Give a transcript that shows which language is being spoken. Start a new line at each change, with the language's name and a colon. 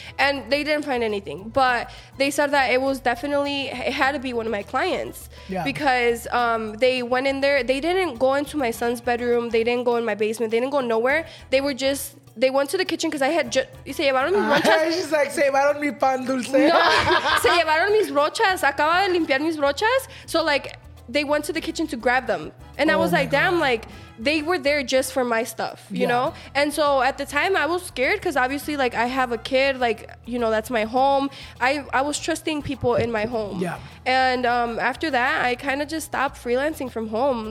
English: And they didn't find anything. But they said that it was definitely, it had to be one of my clients. Yeah. Because they went in there. They didn't go into my son's bedroom. They didn't go in my basement. They didn't go nowhere. They were just, they went to the kitchen because I had just,
Spanish: se llevaron mis rochas.
English: She's like,
Spanish: se llevaron mi pan dulce. No, se llevaron mis rochas. Acaba de limpiar mis rochas.
English: So like, they went to the kitchen to grab them. And I was like, damn, like, they were there just for my stuff, you know? And so at the time I was scared because obviously, like, I have a kid, like, you know, that's my home. I was trusting people in my home. Yeah. And after that, I kind of just stopped freelancing from home.